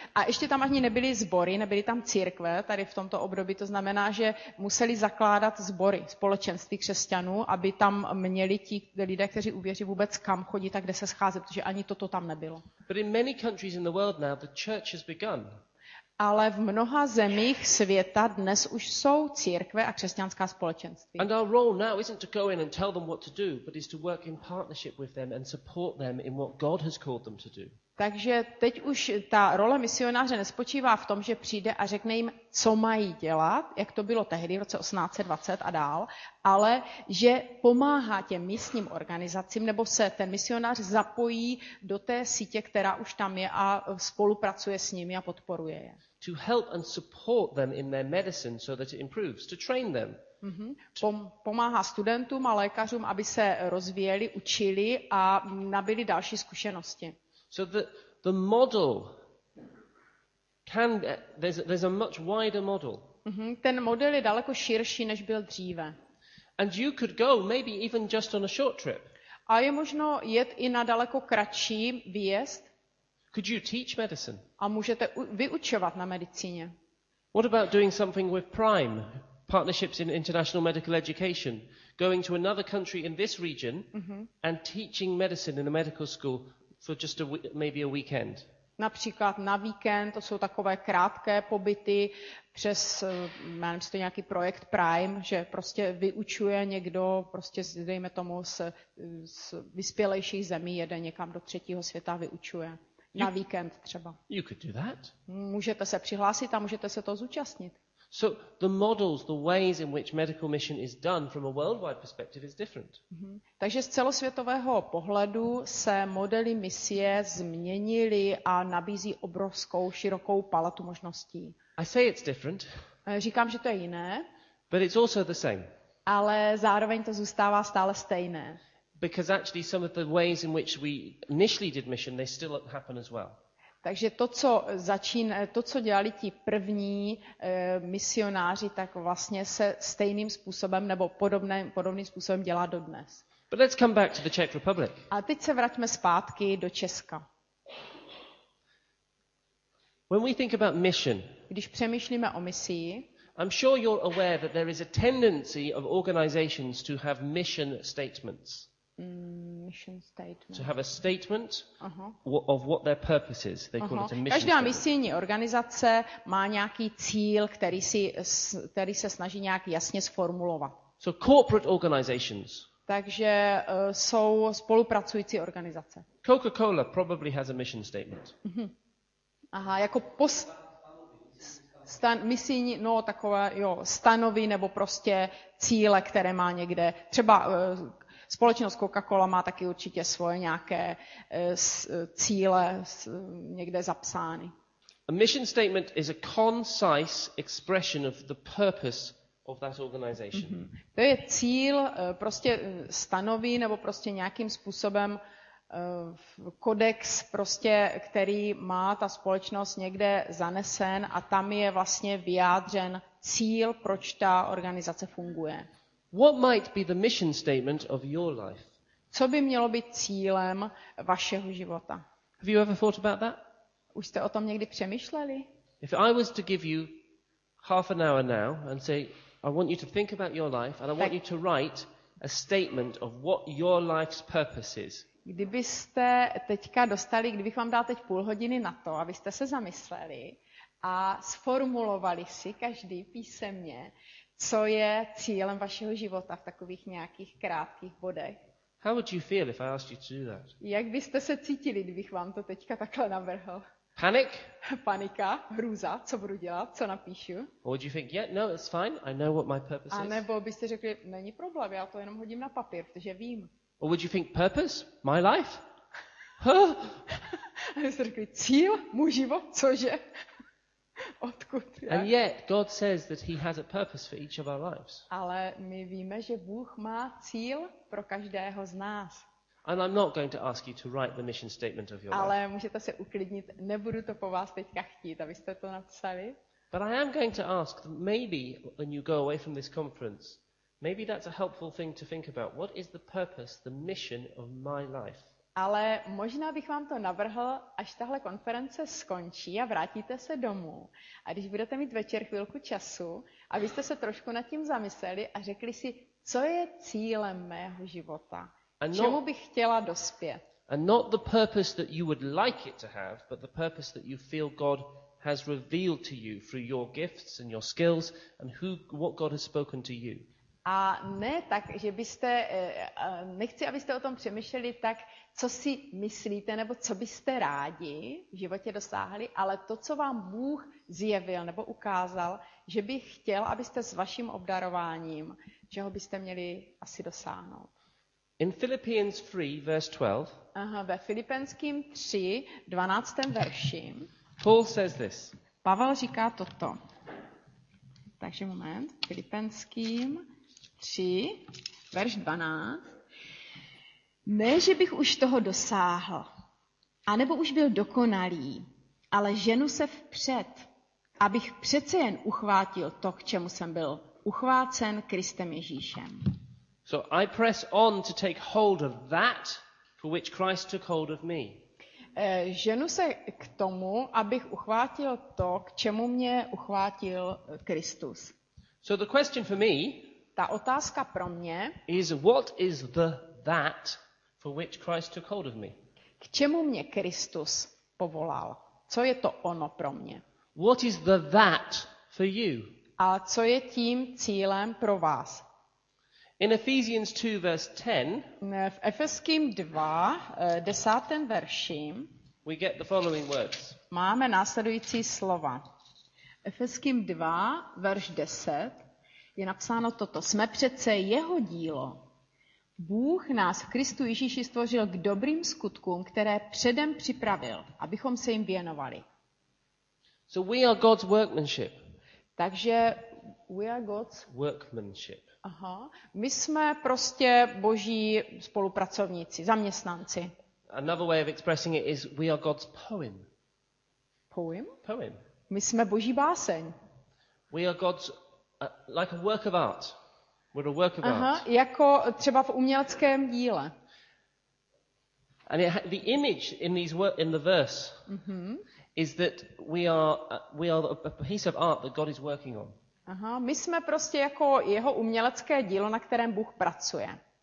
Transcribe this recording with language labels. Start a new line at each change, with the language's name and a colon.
Czech: A ještě tam ani nebyly sbory, nebyly tam církve tady v tomto období, to znamená, že museli zakládat sbory, společenství křesťanů, aby tam měli ti lidé, kteří uvěří, vůbec kam chodit a kde se scházet, protože ani toto tam nebylo.
English: But in many countries in the world now, the church has begun.
Czech: Ale v mnoha zemích světa dnes už jsou církve a křesťanská společenství.
English: And our role now isn't to go in and tell them what to do, but is to work in partnership with them and support them in what God has called them to do.
Czech: Takže teď už ta role misionáře nespočívá v tom, že přijde a řekne jim, co mají dělat, jak to bylo tehdy v roce 1820 a dál, ale že pomáhá těm místním organizacím, nebo se ten misionář zapojí do té sítě, která už tam je a spolupracuje s nimi a podporuje je.
English: To help and support them in their medicine so that it improves, to train them.
Czech: Pomáhá studentům a lékařům, aby se rozvíjeli, učili a nabili další zkušenosti.
English: So the model can there's a much wider model. Mm-hmm.
Czech: Ten model je daleko širší, než byl dříve.
English: And you could go maybe even just on a short trip.
Czech: A je možno jet i na daleko kratší výjezd.
English: Could you teach medicine?
Czech: A můžete vyučovat na medicíně.
English: What about doing something with Prime? Partnerships in international medical education, going to another country in this region and teaching medicine in a medical school. For just a maybe a weekend.
Czech: Například na víkend, to jsou takové krátké pobyty přes, nevím, jestli to nějaký projekt Prime, že prostě vyučuje někdo, prostě dejme tomu z vyspělejších zemí jede někam do třetího světa vyučuje na víkend třeba.
English: You could do that.
Czech: Můžete se přihlásit a můžete se toho zúčastnit.
English: So the models, the ways in which medical mission is done from a worldwide perspective is different.
Czech: Takže z celosvětového pohledu se modely misie změnily a nabízí obrovskou širokou paletu možností.
English: I say it's different.
Czech: Říkám, že to je jiné.
English: But it's also the same.
Czech: Ale zároveň to zůstává stále stejné.
English: Because actually some of the ways in which we initially did mission, they still happen as well.
Czech: Takže to, co dělali ti první misionáři, tak vlastně se stejným způsobem nebo podobným způsobem dělá dodnes.
English: But let's come back to the Czech Republic.
Czech: A teď se vraťme zpátky do Česka.
English: When we think about mission,
Czech: když přemýšlíme o misii,
English: I'm sure you're aware that there is a tendency of organizations to have mission statements. Mission statement. To have a statement of what their purpose is. They call it a mission.
Czech: Každá misijní organizace má nějaký cíl, který se snaží nějak jasně sformulovat.
English: So corporate organizations.
Czech: Takže jsou spolupracující organizace.
English: Coca-Cola probably has a mission statement.
Czech: Aha, jako misijní, no takové, jo, stanovy nebo prostě cíle, které má někde. Třeba společnost Coca-Cola má taky určitě svoje nějaké cíle někde zapsány.
English: A mission statement is a concise expression of the purpose of that organization.
Czech: To je cíl, prostě stanoví nebo prostě nějakým způsobem kodex, prostě, který má ta společnost někde zanesen a tam je vlastně vyjádřen cíl, proč ta organizace funguje.
English: What might be the mission statement of your life?
Czech: Co by mělo být cílem vašeho života?
English: Have you ever thought about that?
Czech: Už jste o tom někdy přemýšleli?
English: If I was to give you half an hour now and say, I want you to think about your life and I want you to write a statement of what your life's purpose is.
Czech: Kdybyste teďka dostali, kdybych vám dal teď půl hodiny na to, abyste se zamysleli a sformulovali si každý písemně, co je cílem vašeho života v takových nějakých krátkých bodech.
English: How would you feel if I asked you to do that?
Czech: Jak byste se cítili, kdybych vám to teďka takhle navrhl?
English: Panic?
Czech: Panika, hrůza, co budu dělat, co napíšu?
English: Or would you think, yeah, no, it's fine, I know what my purpose is.
Czech: A nebo byste řekli, není problém, já to jenom hodím na papír, protože vím. Or would you think, purpose, my life? A byste řekli, cíl, můj život, cože? Odkud? Jak?
English: And yet, God says that he has a purpose for each of our lives.
Czech: Ale my víme, že Bůh má cíl pro každého z nás.
English: And I'm not going to ask you to write the mission statement of your life.
Czech: Ale můžete se uklidnit, nebudu to po vás teďka chtít, abyste to napsali.
English: But I am going to ask that maybe when you go away from this conference, maybe that's a helpful thing to think about. What is the purpose, the mission of my life?
Czech: Ale možná bych vám to navrhl, až tahle konference skončí a vrátíte se domů. A když budete mít večer chvilku času, abyste se trošku nad tím zamysleli a řekli si, co je cílem mého života? Čemu bych chtěla dospět?
English: And not the purpose that you would like it to have, but the purpose that you feel God has revealed to you through your gifts and your skills and who what God has spoken to you.
Czech: A ne tak, že byste, nechci, abyste o tom přemýšleli tak, co si myslíte, nebo co byste rádi v životě dosáhli, ale to, co vám Bůh zjevil nebo ukázal, že bych chtěl, abyste s vaším obdarováním, čeho byste měli asi dosáhnout.
English: In Philippians 3, verse 12,
Czech: ve Filipenským 3, 12. verši,
English: Paul says this.
Czech: Pavel říká toto. Takže moment, Filipenským 3, verš 12. Ne, že bych už toho dosáhl, anebo už byl dokonalý, ale ženu se vpřed, abych přece jen uchvátil to, k čemu jsem byl uchvácen Kristem Ježíšem.
English: So I press on to take hold of that for which Christ took hold of me.
Czech: Ženu se k tomu, abych uchvátil to, k čemu mě uchvátil Kristus.
English: So the question for me,
Czech: ta otázka pro mě,
English: is what is the that for which Christ took hold of me?
Czech: K čemu mě Kristus povolal? Co je to ono pro mě?
English: What is the that for you?
Czech: A co je tím cílem pro vás?
English: In Ephesians 2 verse 10,
Czech: v Efeským 2, 10. verši,
English: we get the following words.
Czech: Máme následující slova. Efeským 2 verš 10 je napsáno toto: jsme přece jeho dílo. Bůh nás v Kristu Ježíši stvořil k dobrým skutkům, které předem připravil, abychom se jim věnovali.
English: So we are God's workmanship.
Czech: Takže
English: we are God's workmanship.
Czech: Aha, my jsme prostě Boží spolupracovníci, zaměstnanci.
English: Another way of expressing it is we are God's poem. Poem? Poem.
Czech: My jsme Boží báseň.
English: We are God's like a work of art. We're a work of aha, art.
Czech: Aha, jako třeba v uměleckém díle.
English: And the image in these in the verse is that we are a piece of art that God is working on.
Czech: Aha, my jsme prostě jako jeho umělecké dílo, na kterém Bůh pracuje.